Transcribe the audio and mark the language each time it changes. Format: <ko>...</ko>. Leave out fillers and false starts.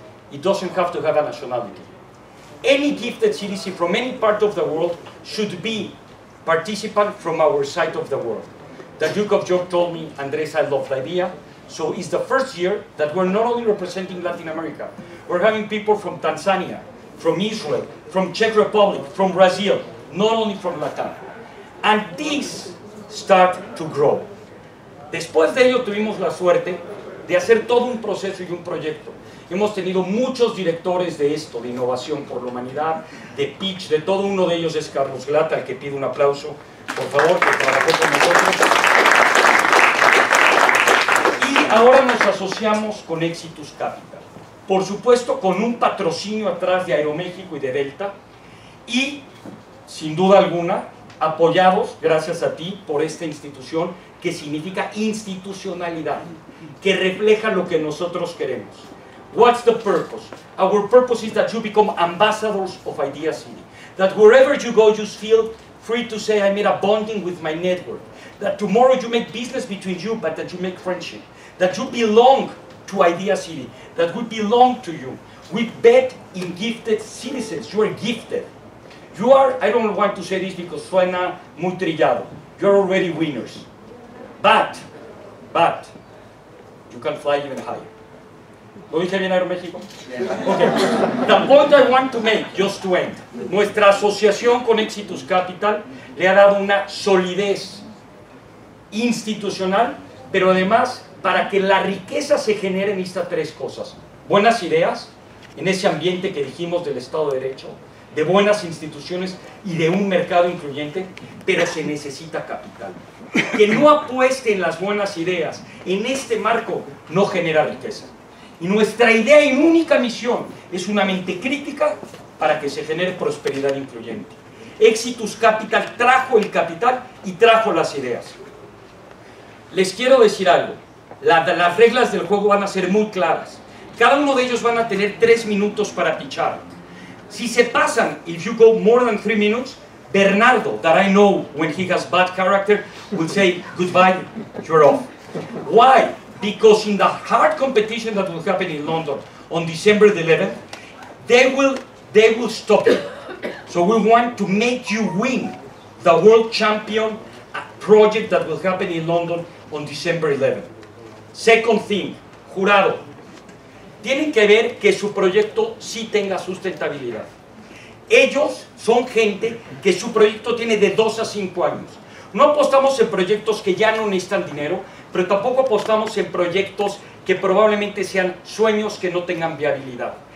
<en>It doesn't have to have a nationality. Any gifted citizen from any part of the world should be participant from our side of the world. The Duke of York told me, Andres, I love the idea. So it's the first year that we're not only representing Latin America, we're having people from Tanzania, from Israel, from Czech Republic, from Brazil, not only from Latin. And this start to grow.</en> <es>Después de ello tuvimos la suerte de hacer todo un proceso y un proyecto. Hemos tenido muchos directores de esto, de innovación por la humanidad, de pitch, de todo. Uno de ellos es Carlos Glata, al que pido un aplauso, por favor, que trabajó con nosotros. Y ahora nos asociamos con Exitus Capital. Por supuesto, con un patrocinio atrás de Aeroméxico y de Delta. Y, sin duda alguna, apoyados, gracias a ti, por esta institución, que significa institucionalidad, que refleja lo que nosotros queremos.</es> <en>What's the purpose? Our purpose is that you become ambassadors of Idea City. That wherever you go, you feel free to say, I made a bonding with my network. That tomorrow you make business between you, but that you make friendship. That you belong to Idea City. That we belong to you. We bet in gifted citizens. You are gifted. You are, I don't want to say this because</en> <es>suena muy trillado.</es> <en>You're already winners. But, you can fly even higher.</en> <es>¿Lo dije bien, Aeroméxico?</es> <en>Okay. The point I want to make, just to end.</en> <es>Nuestra asociación con Exitus Capital le ha dado una solidez institucional, pero además, para que la riqueza se genere en estas tres cosas. Buenas ideas, en ese ambiente que dijimos del Estado de Derecho, de buenas instituciones y de un mercado incluyente, pero se necesita capital. Que no apueste en las buenas ideas, en este marco, no genera riqueza. Y nuestra idea y única misión es una mente crítica para que se genere prosperidad incluyente. Exitus Capital trajo el capital y trajo las ideas. Les quiero decir algo, las reglas del juego van a ser muy claras. Cada uno de ellos van a tener 3 minutos para pichar. Si se pasan,</es> <en>if you go more than 3 minutes, Bernardo, that I know when he has bad character, will say, goodbye, you're off. Why? Because in the hard competition that will happen in London on December the 11th, they will stop it. So we want to make you win the world champion project that will happen in London on December 11th. Second thing, jurado.</en> <es>tienen que ver que su proyecto sí tenga sustentabilidad. Ellos son gente que su proyecto tiene de 2 a 5 años. No apostamos en proyectos que ya no necesitan dinero, pero tampoco apostamos en proyectos que probablemente sean sueños que no tengan viabilidad.</es>